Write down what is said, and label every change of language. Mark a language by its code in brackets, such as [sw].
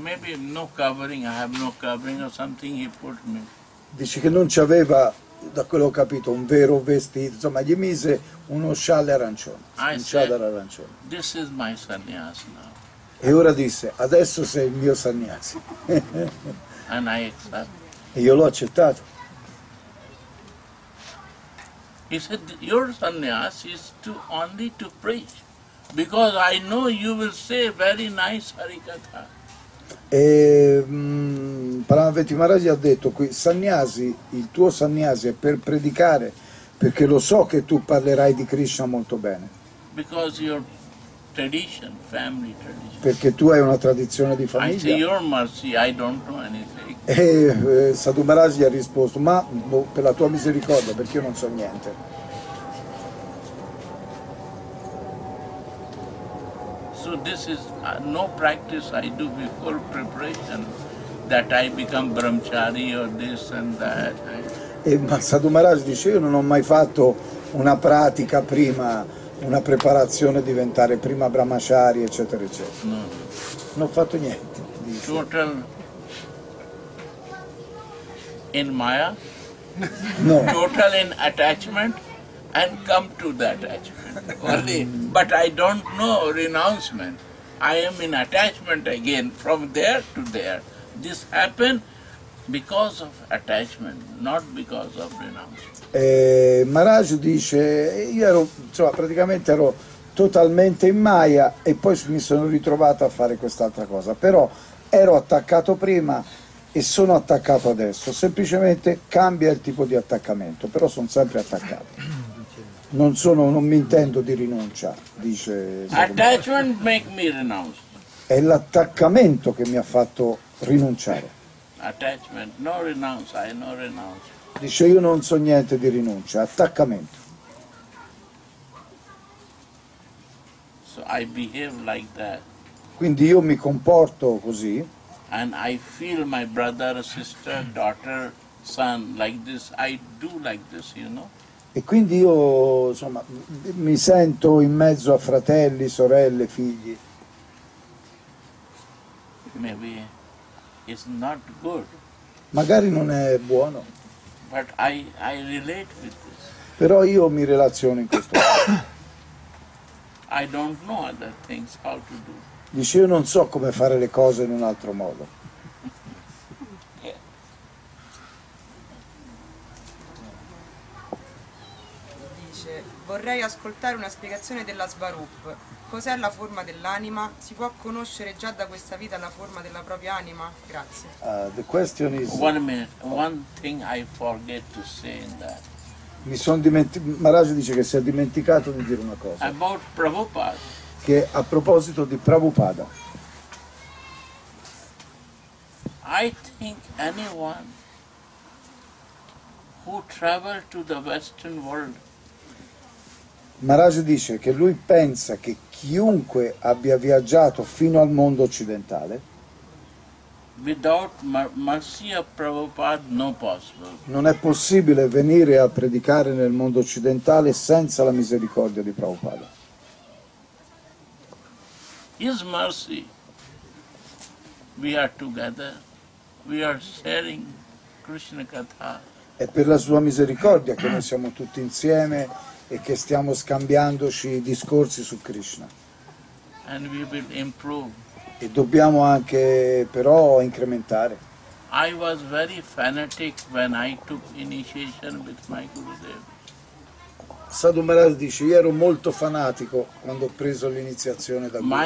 [en] Maybe no covering, I have no covering or something he put me. [it] Dice che non c'aveva, da quello ho capito, un vero vestito, insomma gli mise uno scialle arancione, un chadar arancione. [en] This is my sannyas now. [it] E ora disse, adesso sei il mio sannyasi. [en] And I accept. [it] E io l'ho accettato. [en] He said, your sannyas is to only to preach, because I know you will say very nice harikatha. [it] E Paramavedi Maharaj ha detto, qui sannyasi, il tuo sannyasi è per predicare, perché lo so che tu parlerai di Krishna molto bene. [en] Because your tradition, family tradition. [it] Perché tu hai una tradizione di famiglia. [en] I say, your mercy, I don't know anything. [it] E Sadhu Maharaj gli ha risposto, ma per la tua misericordia, perché io non so niente. [en] So this is no practice I do before preparation that I become brahmachari or this and that. [it] E ma Sadhu Maharaj dice, io non ho mai fatto una pratica prima, una preparazione, diventare prima brahmachari eccetera eccetera. [en] No. [it] Non ho fatto niente. Dice. [en] Total in maya? No. Total in attachment and come to the attachment only. But I don't know renouncement. I am in attachment again from there to there. This happened because of attachment, not because of renouncement. [it] E Maharaj dice, io ero, insomma, praticamente ero totalmente in maya e poi mi sono ritrovato a fare quest'altra cosa, però ero attaccato prima e sono attaccato adesso, semplicemente cambia il tipo di attaccamento, però sono sempre attaccato, non mi intendo di rinuncia, dice. [en] Attachment make me renounce. [it] È l'attaccamento che mi ha fatto rinunciare. [en] Attachment, no renounce, I no renounce. [it] Dice, io non so niente di rinuncia, attaccamento. [en] So I behave like that. [it] Quindi io mi comporto così. [en] And I feel my brother, sister, daughter, son like this. I do like this, you know. [it] E quindi io, insomma, mi sento in mezzo a fratelli, sorelle, figli. [en] Maybe it's not good. [it] Magari non è buono. [en] But I relate with this. [it] Però io mi relaziono in questo. [en] I don't know other things how to do. [it] Dice, io non so come fare le cose in un altro modo. Dice, vorrei ascoltare una spiegazione della Svarup. Cos'è la forma dell'anima? Si può conoscere già da questa vita la forma della propria anima? Grazie. [en] The question is... One minute, one thing I forget to say in that. [it] Mi sono dimenticato, Maharaj dice che si è dimenticato di dire una cosa. [en] About Prabhupada. [it] Che a proposito di Prabhupada. [en] I think anyone who travel to the Western world. [it] Maharaj dice che lui pensa che chiunque abbia viaggiato fino al mondo occidentale. [en] Without Marcia Prabhupada, no possible. [it] Non è possibile venire a predicare nel mondo occidentale senza la misericordia di Prabhupada. [en] His mercy. We are together. We are sharing Krishna Katha. [it] È per la sua misericordia che noi siamo tutti insieme e che stiamo scambiandoci discorsi su Krishna. [en] And we will improve. [it] E dobbiamo anche però incrementare. [en] I was very fanatic when I took initiation with my Gurudev. [it] Sadhu Maharaj dice io ero molto fanatico quando ho preso l'iniziazione da